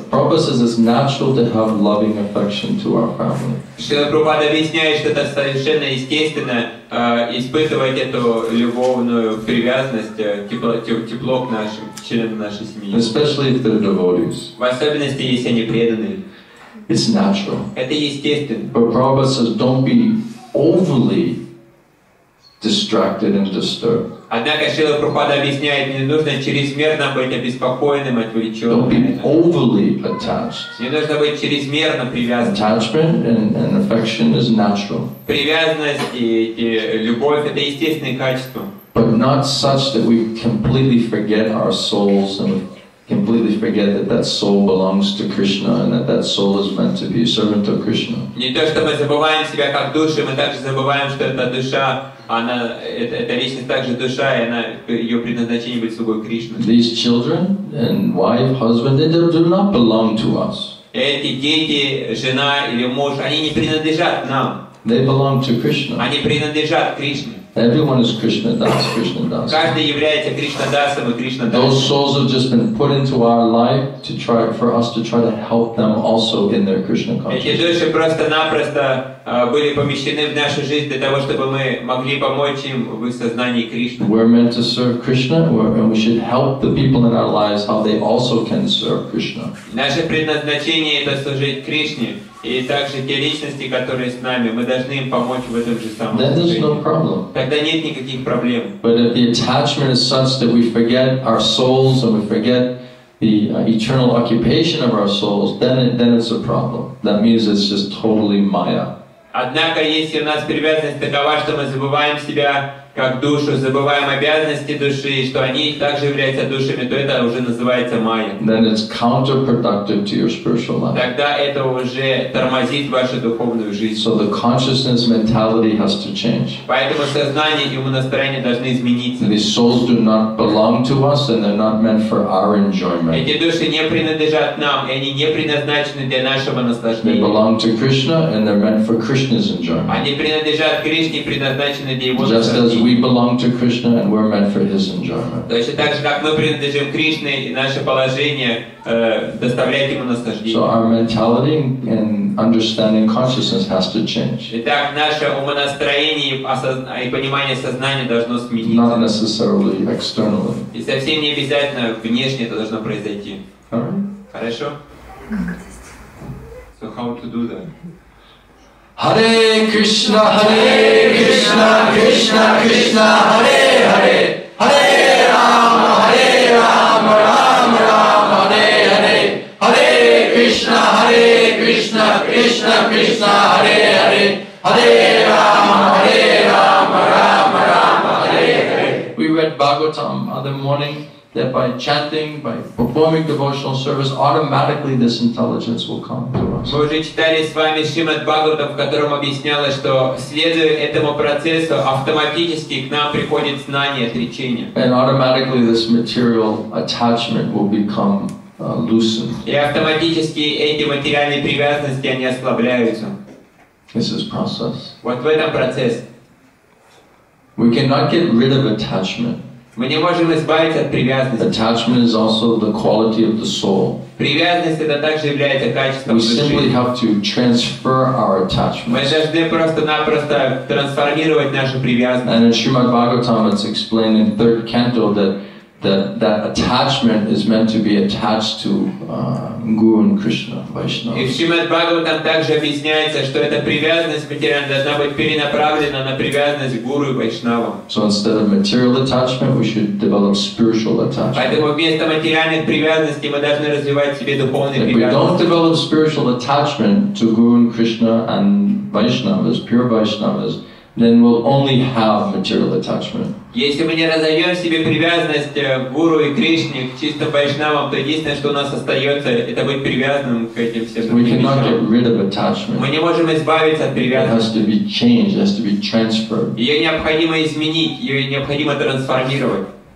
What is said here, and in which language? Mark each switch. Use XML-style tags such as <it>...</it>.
<en>Prabhupada says it's natural to have loving affection to our family.</en> <ru>Шрила Прабхупада объясняет, что это совершенно естественно испытывать эту любовную привязанность, тепло к нашим членам нашей семьи.</ru> <en>Especially if they're devotees.</en> <ru>В особенности, если они преданные.</ru> <en>It's natural.</en> <ru>Это естественно.</ru> <en>But Prabhupada says, don't be overly distracted and disturbed.</en> <ru>Однако Шрила Прабхупада объясняет, не нужно чрезмерно быть обеспокоенным, отвлеченным.</ru> <en>Don't be overly attached.</en> <ru>Не нужно быть чрезмерно привязанным.</ru> <en>Attachment and affection is natural.</en> <ru>Привязанность и любовь — это естественные качества.</ru> <en>But not such that we completely forget our souls and completely forget that soul belongs to Krishna and that soul is meant to be a servant of Krishna.</en> <ru>Не то, что мы забываем себя как души, мы также забываем, что эта душа, она, эта личность также душа, и она, ее предназначение быть слугой Кришны.</ru> <en>These children and wife, husband, they do not belong to us.</en> <ru>Эти дети, жена или муж, они не принадлежат нам.</ru> <en>They belong to Krishna.</en> <ru>Они принадлежат Кришне.</ru> <en>Everyone is Krishna Das, Krishna Das.</en> <ru>Каждый является Кришна Дасом и Кришна Дасом.</ru> <en>Those souls have just been put into our life to try for us to try to help them also in their Krishna consciousness.</en> <ru>Эти души просто-напросто были помещены в нашу жизнь для того, чтобы мы могли помочь им в их сознании Кришны.</ru> <en>We're meant to serve Krishna, and we should help the people in our lives how they also can serve Krishna.</en> <ru>Наше предназначение — это служить Кришне. И также те личности, которые с нами, мы должны им помочь в этом же самом.</ru> <en>Then there's no problem.</en> <ru>Тогда нет никаких проблем.</ru> <en>But if the attachment is such that we forget our souls and we forget the eternal occupation of our souls, then it's a problem. That means it's just totally maya.</en> <ru>Однако если у нас привязанность такова, что мы забываем себя как душу, забываем обязанности души, и что они также являются душами, то это уже называется майя.</ru> <en>Then it's counterproductive to your spiritual life.</en> <ru>Тогда это уже тормозит вашу духовную жизнь.</ru> <en>So the consciousness mentality has to change.</en> <ru>Поэтому сознание и умонастроение должны измениться.</ru> <en>These souls do not belong to us, and they're not meant for our enjoyment.</en> <ru>Эти души не принадлежат нам, и они не предназначены для нашего наслаждения.</ru> <en>They belong to Krishna, and they're meant for Krishna's enjoyment.</en> <ru>Они принадлежат Кришне, предназначены для его наслаждения.</ru> <en>As we belong to Krishna and we're meant for His enjoyment.</en> <ru>Точно так же, как мы принадлежим Кришне, и наше положение доставляет ему наслаждение.</ru> <en>So our mentality and understanding consciousness has to change.</en> <ru>Итак, наше умонастроение и понимание сознания должно смениться.</ru> <en>Not necessarily externally.</en> <ru>И совсем не обязательно внешне это должно произойти.</ru> <en>All right.</en> <ru>Хорошо?</ru> <en>So how to do that?</en> <sa>Hare Krishna, Hare Krishna, Krishna Krishna, Hare Hare, Hare Rama, Hare Rama, Rama Rama, Hare Hare, Hare Krishna, Hare Krishna, Krishna Krishna, Hare Hare, Hare Rama, Hare Rama, Rama Rama, Hare Hare.</sa> <en>We read Bhagavatam other morning, that by chanting, by performing devotional service, automatically this intelligence will come to us.</en> <ru>Мы уже читали с вами Шримад Бхагаватам, в котором объяснялось, что следуя этому процессу, автоматически к нам приходит знание, отречение.</ru> <en>And automatically this material attachment will become loosened.</en> <ru>И автоматически эти материальные привязанности, они ослабляются.</ru> <en>This is process.</en> <ru>Вот в этом процесс.</ru> <en>We cannot get rid of attachment.</en> <ru>Мы не можем избавиться от привязанности.</ru> <en>Attachment is also the quality of the soul.</en> <ru>Привязанность это также является качеством души.</ru> <en>We simply have to transfer our attachment.</en> <ru>Мы должны просто-напросто трансформировать нашу привязанность.</ru> <en>And in Srimad Bhagavatam it's explained in third canto that attachment is meant to be attached to Guru and Krishna, Vaishnava.</en> <ru>И в Шримад Бхагаватам также объясняется, что эта привязанность материальная должна быть перенаправлена на привязанность к Гуру и Вайшнавам.</ru> <en>So instead of material attachment, we should develop spiritual attachment.</en> <ru>Поэтому вместо материальных привязанностей мы должны развивать в себе духовные привязанности.</ru> <en>If we don't develop spiritual attachment to Guru and Krishna and Vaishnavas, pure Vaishnavas, then we'll only have material attachment.</en> <ru>Если мы не разовьем себе привязанность к Гуру и Кришне, к чистым вайшнавам, то единственное, что у нас остается, это быть привязанным к этим всем.</ru> <en>We cannot get rid of attachment.</en> <ru>Мы не можем избавиться от привязанности.</ru> <en>It has to be changed, it has to be transferred.</en> <ru>Ее необходимо изменить, ее необходимо трансформировать.</ru>